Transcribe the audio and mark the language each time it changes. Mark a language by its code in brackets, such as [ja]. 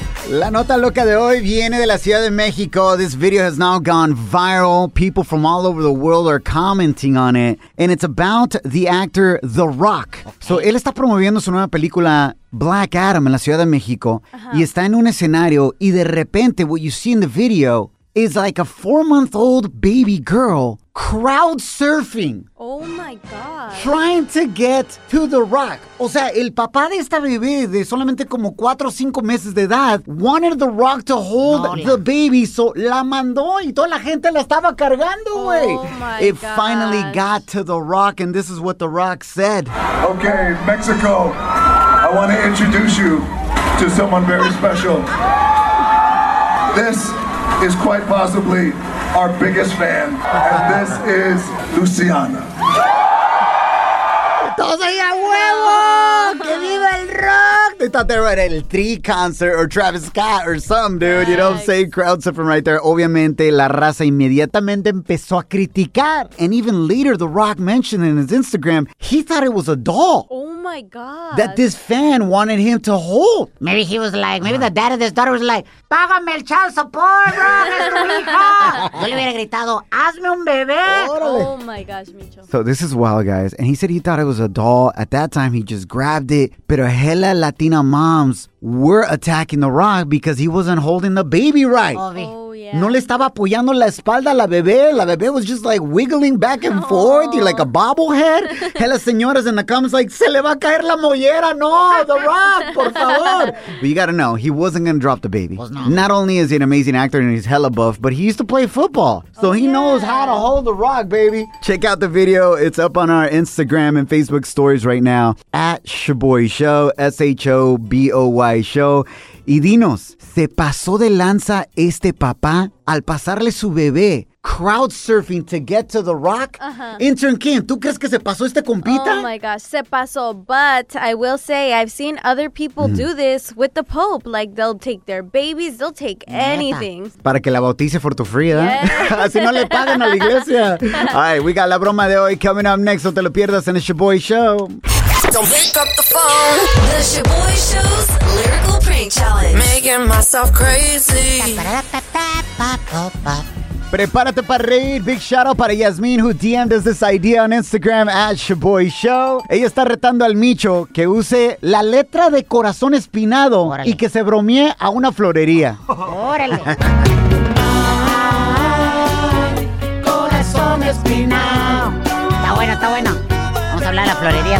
[es] La nota loca de hoy viene de la Ciudad de México. [en] This video has now gone viral. People from all over the world are commenting on it. And it's about the actor The Rock. Okay. [es] So, él está promoviendo su nueva película Black Adam en la Ciudad de México. Uh-huh. Y está en un escenario. Y de repente, [en] what you see in the video is like a four-month-old baby girl crowd surfing. Oh, my God. Trying to get to The Rock. [es] O sea, el papá de esta bebé de solamente como 4 o 5 meses de edad [en] wanted The Rock to hold the baby, so [es] la mandó y toda la gente la estaba cargando, güey. [en] Oh, my gosh. Finally got to The Rock, and this is what The Rock said. Okay, Mexico, I want to introduce you to someone very special. This is quite possibly our biggest fan, and this is Luciana. [es] ¡Todos ahí a huevo! ¡Que viva el rock! [en] They thought they were at El Tri concert or Travis Scott or something, dude. You know what I'm saying? Crowd surfing right there. [es] Obviamente, la raza inmediatamente empezó a criticar. [en] And even later, The Rock mentioned in his Instagram, he thought it was a doll. Oh my God. That this fan wanted him to hold. Maybe he was like, maybe the dad of this daughter was like, [es] págame el [en] child support, bro. [es] Es tu hija. Yo le hubiera gritado, hazme un bebé. Órale. [en] Oh my gosh, Micho. So this is wild, guys. And he said he thought it was a doll. At that time, he just grabbed it. [es] Pero [en] hella Latina moms were attacking The Rock because he wasn't holding the baby right. Oh, yeah. [es] No le estaba apoyando la espalda a la bebé. La bebé [en] was just like wiggling back and forth. You're like a bobblehead. Hella [es] señoras [en] in the comments like, [es] se le va a caer la mollera. No, The Rock, por favor. [en] But you gotta know, he wasn't gonna drop the baby. Not only is he an amazing actor and he's hella buff, but he used to play football. So he knows how to hold The Rock, baby. Check out the video. It's up on our Instagram and Facebook stories right now. At Shaboy Show, S-H-O-B-O-Y. Show. [es] Y dinos, ¿se pasó de lanza este papá al pasarle su bebé [en] crowd surfing to get to The Rock? Uh-huh. [es] Intern Kim, ¿tú crees que se pasó este compita? [en] Oh my gosh, [es] se pasó. [en] But I will say, I've seen other people do this with the Pope. Like, they'll take their babies, they'll take anything. [es] Para que la bautice [en] for [es] tu free, ¿eh? Así no le pagan a la iglesia. [en] All right, we got [es] la broma de hoy [en] coming up next. [es] No te lo pierdas en el Shaboy Show. [en] Don't pick up the phone. The Shaboy Show's Lyrical Prank Challenge. Making myself crazy. [es] Prepárate para reír. [en] Big shout out [es] para [en] Yasmin, who DM'd us this idea on Instagram at Shaboy Show. [es] Ella está retando al Micho que use la letra de corazón espinado. Órale. Y que se bromee a una florería. Órale. Corazón espinado. Está bueno, está bueno. Vamos a hablar a la florería,